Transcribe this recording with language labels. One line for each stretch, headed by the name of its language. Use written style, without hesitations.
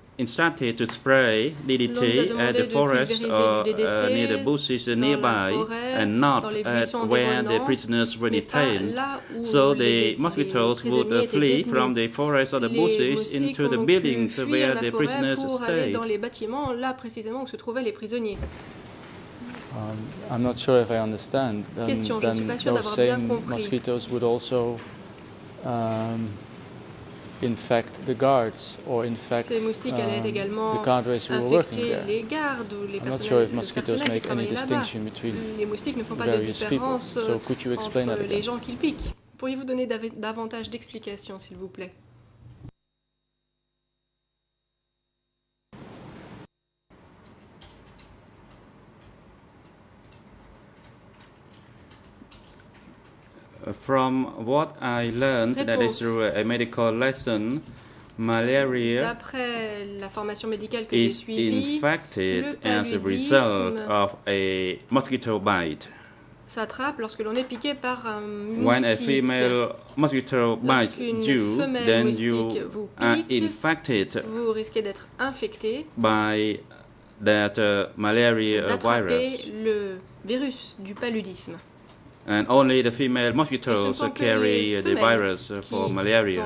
English: started to spray DDT at the forest or near the bushes nearby and not at where the prisoners were detained. So the mosquitoes would flee from the forest or the bushes into the buildings where the prisoners stayed.
French: Dans les bâtiments, là précisément où se trouvaient les prisonniers.
English: I'm not sure if I understand. Then those same mosquitoes would also infect the guards or infect the cadres who were working there. I'm not sure if mosquitoes make any distinction between various people. So could you explain that again?
French: Pourriez-vous donner davantage d'explications, s'il vous plaît?
English: From what I learned,
French: réponse.
English: That is through a medical lesson, malaria
French: d'après la formation médicale que
English: is
French: j'ai suivi,
English: infected as a result of a mosquito bite.
French: S'attrape lorsque l'on est piqué par un moustique.
English: When a female mosquito bites you, then you are infected.
French: Vous risquez d'être infecté
English: by that malaria virus.
French: Le virus du paludisme.
English: And only the female mosquitoes carry the virus for malaria.